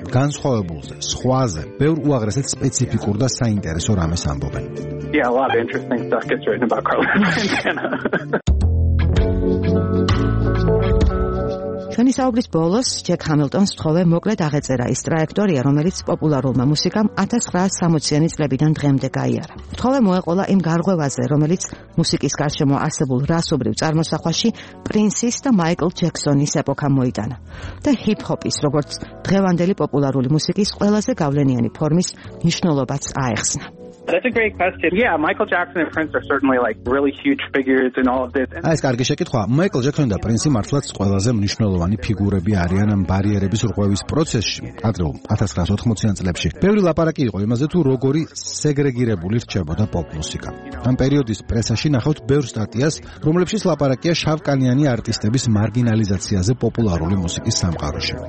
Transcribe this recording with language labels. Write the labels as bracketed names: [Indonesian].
[Georgian] Ganzkho ბულზე, სხვაზე, ბევრ უაღრესად სპეციფიკურ და საინტერესო რამეს ამბობენ. [English] Yeah, a lot of interesting stuff gets written about Carlos Santana. [Georgian] ჩვენი საუბრის ბოლოს, ჯეკ ჰამილტონს თხოვე მოკლედ აღეწერა ის ტრაექტორია, რომელიც პოპულარულმა მუსიკამ 1960-იანი წლებიდან დღემდე გაიარა. თხოვე მოეყოლა იმ გარღვევაზე, რომელიც მუსიკის გარშემო არსებულ რასობრივ წარმოსახვაში პრინსის და მაიკლ ჯექსონის ეპოქა მოიტანა. და ჰიპ-ჰოპის, როგორც დღევანდელი პოპულარული მუსიკის ყველაზე გავლენიანი ფორმის მნიშვნელობაც აეხსნა. [English] That's a great question. Yeah, Michael Jackson and Prince are certainly like really huge figures in all of this. [Georgian] აი ეს კარგი შეკითხვა. Michael Jackson და Prince მართლაც ყველაზე მნიშვნელოვანი ფიგურები არიან ამ ბარიერების რღვევის პროცესში. ადრეულ 1980-იან წლებში ბევრი ლაპარაკი იყო იმაზე, თუ როგორი სეგრეგირებული რჩებოდა პოპ მუსიკა. ამ პერიოდის პრესაში ნახავთ ბევრ სტატიას, რომლებშიც ლაპარაკია შავკანიანი არტისტების მარგინალიზაციაზე პოპულარული მუსიკის სამყაროში.